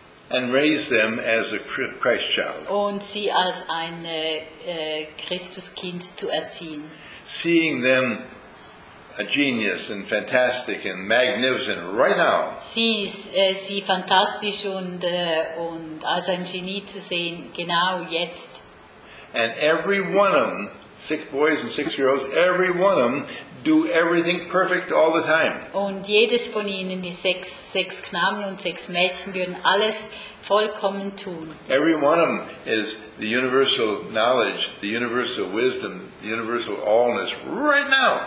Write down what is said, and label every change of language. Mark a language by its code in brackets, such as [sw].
[en] And raise them as a Christ child. [de] Und sie als ein Christuskind zu erziehen. [en] Seeing them a genius and fantastic and magnificent right now. [de] Sie fantastisch und als ein Genie zu sehen, genau jetzt. [en] And every one of them, 6 boys and 6 girls, every one of them do everything perfect all the time. [de] Und jedes von ihnen, die 6 Knaben und 6 Mädchen, würden alles vollkommen tun. [en] Every one of them is the universal knowledge, the universal wisdom, the universal allness right now.